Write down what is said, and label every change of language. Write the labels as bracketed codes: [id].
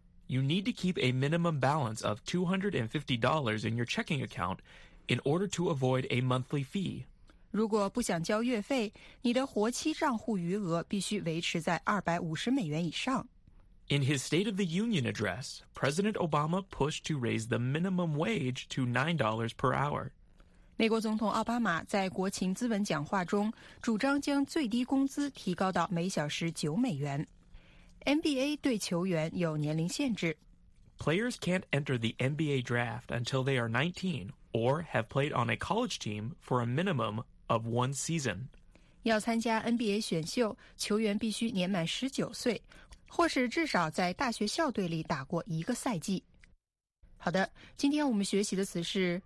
[en] You need to keep a minimum balance of $250 in your checking account in order to avoid a monthly fee. [zh] 如果不想交月费，你的活期账户余额必须维持在250美元以上。 [en] In his State of the Union address, President Obama pushed to raise the minimum wage to $9 per hour. [zh] 美国总统奥巴马在国情咨文讲话中主张将最低工资提高到每小时9美元。 NBA 对球员有年龄限制。 [en] Players can't enter the NBA draft until they are 19 or have played on a college team for a minimum of one season. [zh] 要参加 NBA 选秀，球员必须年满19岁，或是至少在大学校队里打过一个赛季。好的，今天我们学习的词是